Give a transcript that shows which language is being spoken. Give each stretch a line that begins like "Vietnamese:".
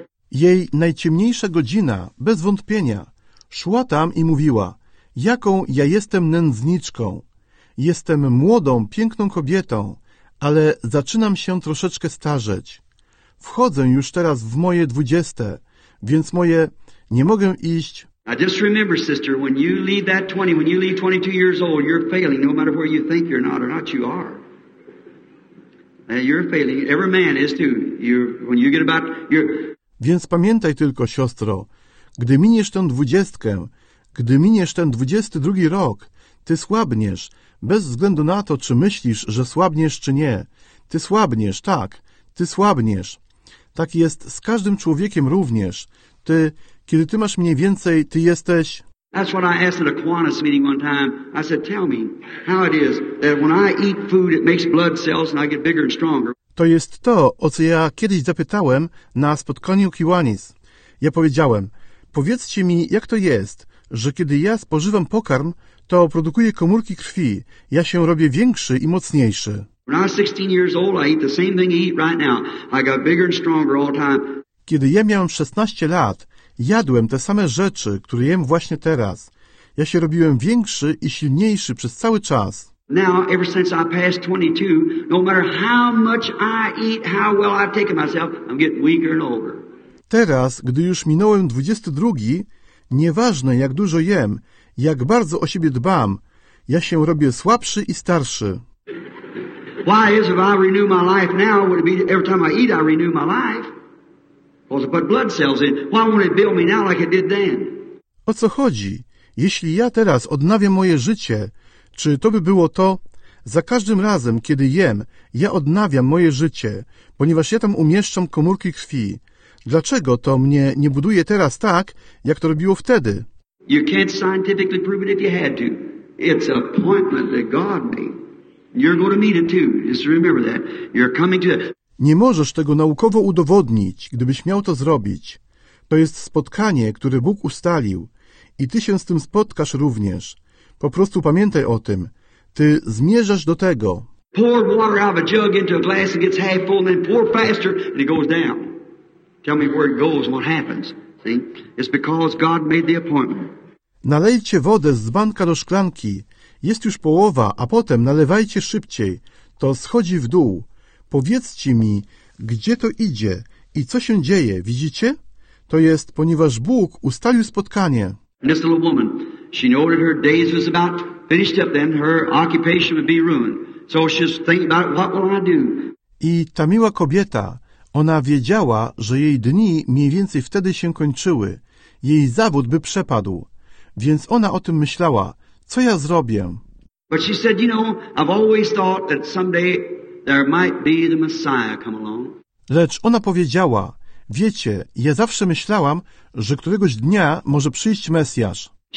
Polish: Jej najciemniejsza godzina, bez wątpienia, szła tam i mówiła, jaką ja jestem nędzniczką. Jestem młodą, piękną kobietą, ale zaczynam się troszeczkę starzeć. Wchodzę już teraz w moje 20, więc moje nie mogę iść.
English: I just remember, sister, when you leave that 20, when you leave 22 years old, you're failing, no matter where you think you're not or not, you are. You're failing. Every man is too.
Polish: Więc pamiętaj tylko, siostro, gdy miniesz tę 20, gdy miniesz ten 22 rok, ty słabniesz, bez względu na to, czy myślisz, że słabniesz, czy nie. Ty słabniesz, tak, ty słabniesz. Tak jest z każdym człowiekiem również. Ty, kiedy ty masz mniej więcej, ty jesteś...
English: That's what I asked at a Qantas meeting one time. I said, tell me how it is that when I eat food, it makes blood cells and I get bigger and stronger.
Polish: To jest to, o co ja kiedyś zapytałem na spotkaniu Kiwanis. Ja powiedziałem, powiedzcie mi, jak to jest, że kiedy ja spożywam pokarm, to produkuje komórki krwi. Ja się robię większy i mocniejszy.
English: When I was 16 years old, I eat the same thing I eat right now. I got bigger and stronger all the time.
Polish: Kiedy ja miałem 16 lat, jadłem te same rzeczy, które jem właśnie teraz. Ja się robiłem większy i silniejszy przez cały czas.
English: Now, ever since I passed 22, no matter how much I eat, how well I've taken myself, I'm getting weaker and older.
Polish: Teraz, gdy już minąłem 22, nieważne jak dużo jem, jak bardzo o siebie dbam, ja się robię słabszy i starszy.
English: Why is if I renew my life now, would it be every time I eat, I renew my life? Well, to put blood cells in, why won't it build me now like it did then?
Polish: O co chodzi? Jeśli ja teraz odnawiam moje życie, czy to by było to, za każdym razem, kiedy jem, ja odnawiam moje życie, ponieważ ja tam umieszczam komórki krwi. Dlaczego to mnie nie buduje teraz tak, jak to robiło wtedy?
English: You can't scientifically prove it if you had to. It's an appointment that God made. You're going to meet it too. Just remember that. You're coming to it.
Polish: Nie możesz tego naukowo udowodnić, gdybyś miał to zrobić. To jest spotkanie, które Bóg ustalił. I ty się z tym spotkasz również. Po prostu pamiętaj o tym. Ty zmierzasz do tego.
English: Pour water out of a jug into a glass and gets half full, and then pour faster and it goes down. Tell me where it goes and what happens. See? It's because God made the appointment.
Polish: Nalejcie wodę z dzbanka do szklanki. Jest już połowa, a potem nalewajcie szybciej. To schodzi w dół. Powiedzcie mi, gdzie to idzie i co się dzieje, widzicie? To jest, ponieważ Bóg ustalił spotkanie.
English: And this little woman, she knew that her days was about finished up then, her occupation would be ruined. So she's thinking about, what will I do?
Polish: I ta miła kobieta, ona wiedziała, że jej dni mniej więcej wtedy się kończyły. Jej zawód by przepadł. Więc ona o tym myślała, co ja zrobię?
English: But she said, you know, I've always thought that someday there might be the Messiah come along.
Polish: Lecz ona powiedziała, wiecie, ja zawsze myślałam, że któregoś dnia może przyjść Mesjasz.